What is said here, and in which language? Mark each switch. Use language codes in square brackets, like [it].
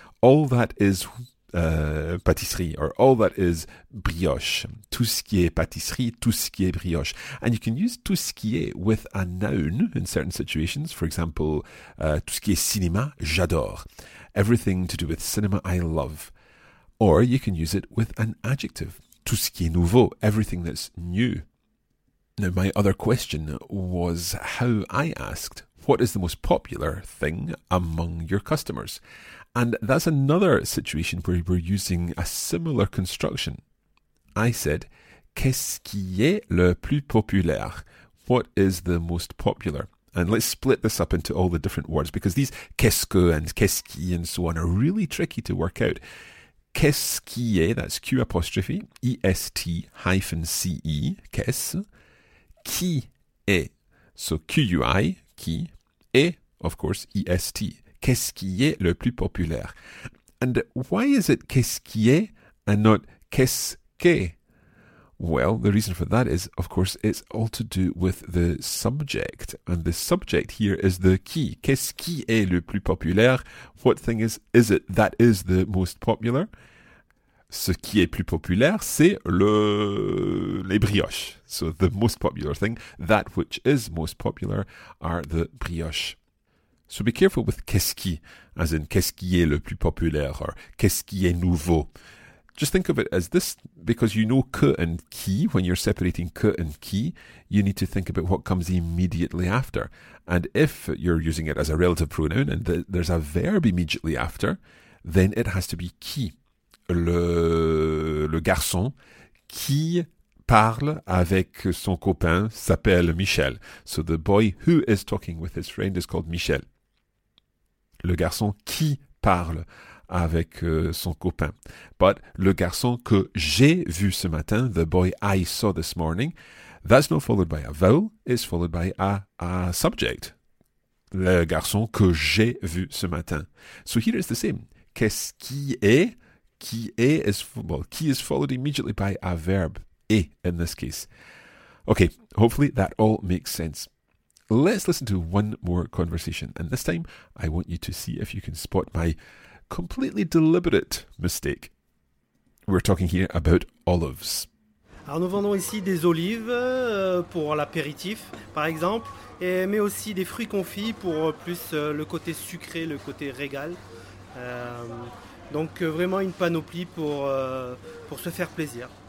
[en] All that is pâtisserie, or all that is brioche. [fr] Tout ce qui est pâtisserie, tout ce qui est brioche. [en] And you can use tout ce qui est with a noun in certain situations. For example, [fr] tout ce qui est cinéma, j'adore. [en] Everything to do with cinema, I love. Or you can use it with an adjective. [fr] Tout ce qui est nouveau, [en] everything that's new. Now, my other question was how I asked, what is the most popular thing among your customers? And that's another situation where we're using a similar construction. I said, [fr] qu'est-ce qui est le plus populaire? [en] What is the most popular? And let's split this up into all the different words, because these qu'est-ce que and qu'est-ce qui and so on are really tricky to work out. Qu'est-ce qui est, that's Q apostrophe, E-S-T hyphen C-E, qu'est-ce, qui est, so Q-U-I, qui, et, of course, E-S-T, qu'est-ce qui est le plus populaire. And why is it qu'est-ce qui est and not qu'est-ce que? Well, the reason for that is, of course, it's all to do with the subject. And the subject here is the qui. [fr] Qu'est-ce qui est le plus populaire? [en] What thing is it that is the most popular? [fr] Ce qui est plus populaire, c'est les brioches. [en] So the most popular thing, that which is most popular, are the brioches. So be careful with qu'est-ce qui, as in [fr] qu'est-ce qui est le plus populaire, [en] or [fr] qu'est-ce qui est nouveau. [en] Just think of it as this, because you know que and qui, when you're separating que and qui, you need to think about what comes immediately after. And if you're using it as a relative pronoun, and there's a verb immediately after, then it has to be qui. [fr] Le garçon qui parle avec son copain s'appelle Michel. [en] So the boy who is talking with his friend is called Michel. [fr] Le garçon qui parle avec son copain. [en] But [fr] le garçon que j'ai vu ce matin, [en] the boy I saw this morning, that's not followed by a vowel, it's followed by a subject. [fr] Le garçon que j'ai vu ce matin. [en] So here it's the same. [fr] Qu'est-ce qui est? [en] Qui est is, well, qui is followed immediately by a verb, est, in this case. Okay, hopefully that all makes sense. Let's listen to one more conversation. And this time, I want you to see if you can spot my completely deliberate mistake. We're talking here about olives. [fr] Alors nous vendons ici des olives pour l'apéritif, par exemple, et, mais aussi des fruits confits pour plus le côté sucré, le côté régal. Donc vraiment une panoplie pour se faire plaisir.